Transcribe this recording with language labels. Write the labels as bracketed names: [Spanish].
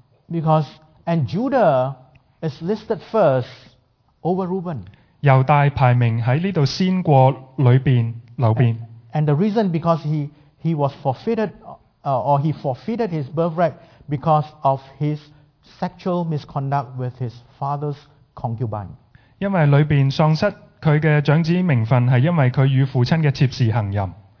[English] Because, and Judah is listed first over Reuben. [Chinese] 猶大排名在這裡先過裡面流便。 [English] And the reason because he was forfeited, or he forfeited his birthright because of his sexual misconduct with his father's concubine. [Chinese] 因為裡面喪失他的長子名分，是因為他與父親的妾侍行淫。